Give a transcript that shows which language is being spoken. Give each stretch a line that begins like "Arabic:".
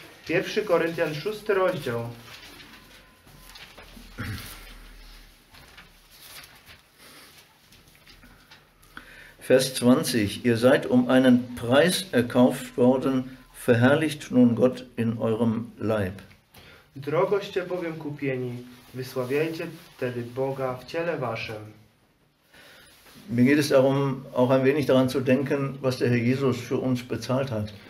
Polish: 1. Korinthian 6. rozdział.
German: Vers 20. Ihr seid um einen Preis erkauft worden, verherrlicht nun Gott in eurem Leib.
Polish: Drogoście bowiem kupieni. Wysławiajcie tedy Boga w ciele waszym.
German: Mir geht es darum, auch ein wenig daran zu denken, was der Herr Jesus für uns bezahlt hat.